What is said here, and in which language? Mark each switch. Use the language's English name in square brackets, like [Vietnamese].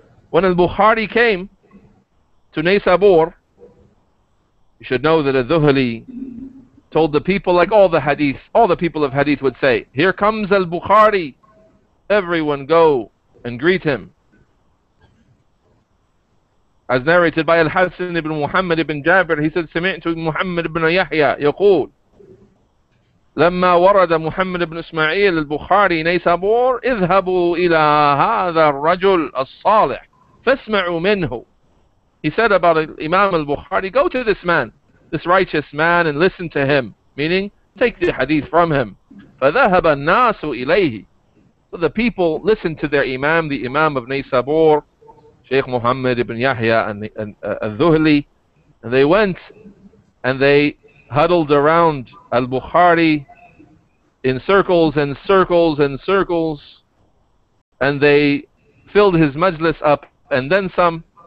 [English] When al-Bukhari came to Naysabur, you should know that al-Dhuhli told the people, like all the hadith, all the people of hadith would say, here comes al-Bukhari, everyone go and greet him. As narrated by al-Hassan ibn Muhammad ibn Jabir, he said, [Arabic] سمعت Muhammad ibn Yahya يقول لما ورد محمد بن اسماعيل البخاري نيسابور اذهبوا الى هذا الرجل الصالح فاسمعوا منه. [English] He said about Imam al-Bukhari, go to this man, this righteous man, and listen to him, meaning take the hadith from him. [Arabic] فذهب الناس اليه. [English] So the people listened to their imam, the imam of Naysabur, Sheikh Muhammad ibn Yahya al-Dhuhli, and they went and they huddled around al-Bukhari in circles and circles and circles, and they filled his majlis up and then some.